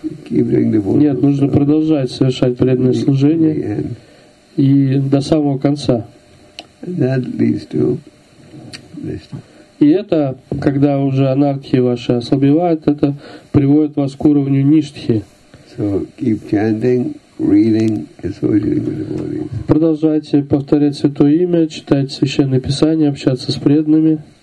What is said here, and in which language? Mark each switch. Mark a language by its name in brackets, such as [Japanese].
[Russian] Нет, нужно продолжать совершать преданное служение и до самого конца. И это, когда уже анартхи ваши ослабевают, это приводит вас к уровню ништхи. [English] So keep chanting, reading, associating with the devotees. [Russian] Продолжайте повторять святое имя, читать священное писание, общаться с преданными.